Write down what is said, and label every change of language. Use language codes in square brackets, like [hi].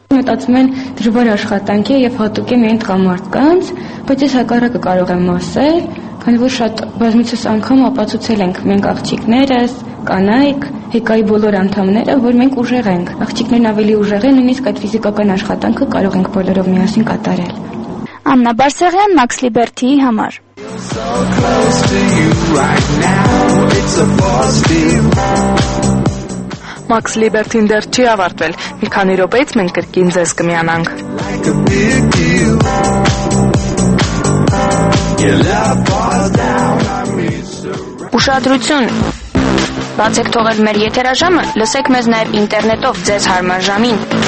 [hy] Մտածում են դժվար աշխատանք է և հատուկ է միայն տղամարդկանց, բայց ես հակառակը կարող եմ ասել, քանի որ շատ բազմիցս անգամ ապացուցել ենք մենք աղջիկներս, կանայք, հեկայի բոլոր անդամները, որ մենք ուժեղ ենք, աղջիկներն ավելի ուժեղ են, նույնիսկ այդ ֆիզիկական աշխատանքը կարող ենք բոլորով միասին կատարել։ Աննա Բարսեղյան, Մաքս Լիբերթիի համար։ [en] So close to you right now, it's a positive. [hy] Մաքս Լիբերթին դեռ չի ավարտվել։ Մի քանի րոպեից մենք կրկին ձեզ կմիանանք։ Ուշադրություն։ Բացեք թողել մեր եթերաժամը, լսեք մեզ նաև ինտերնետով ձեզ հարմար ժամին։